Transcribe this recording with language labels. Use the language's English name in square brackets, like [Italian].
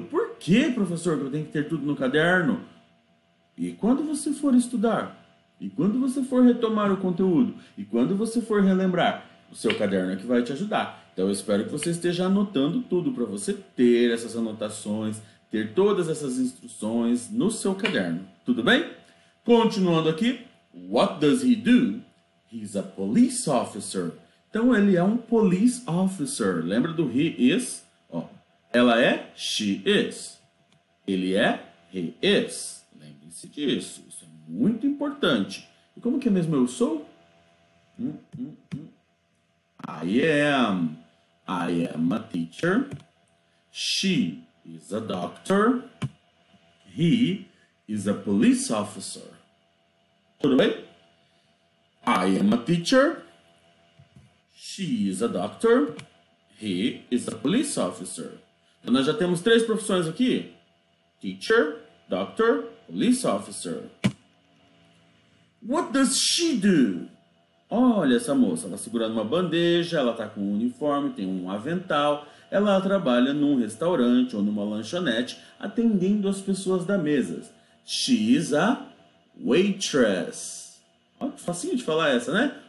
[Portuguese] Por que, professor, que eu tenho que ter tudo no caderno? E quando você for estudar, e quando você for retomar o conteúdo, e quando você for relembrar, o seu caderno é que vai te ajudar. Então eu espero que você esteja anotando tudo para você ter essas anotações, ter todas essas instruções no seu caderno. Tudo bem? Continuando aqui, [English] what does he do? He's a police officer. [Portuguese] Então ele é um police officer. Lembra do [English] he is? [Portuguese] Ó, ela é, [English] she is. [Portuguese] Ele é, [English] he is. [Portuguese] Lembre-se disso, isso é muito importante. E como que é mesmo eu sou? [English] I am. I am a teacher. She is a doctor. He is a police officer. [Portuguese] Tudo bem? [English] I am a teacher. She is a doctor. He is a police officer. [Portuguese] Então nós já temos três profissões aqui. [English] Teacher, doctor, police officer. What does she do? [Portuguese] Olha essa moça, ela segurando uma bandeja, ela está com um uniforme, tem um avental, ela trabalha num restaurante ou numa lanchonete atendendo as pessoas da mesa. [English] She's a waitress. [Portuguese] Ó, facinho de falar essa, né?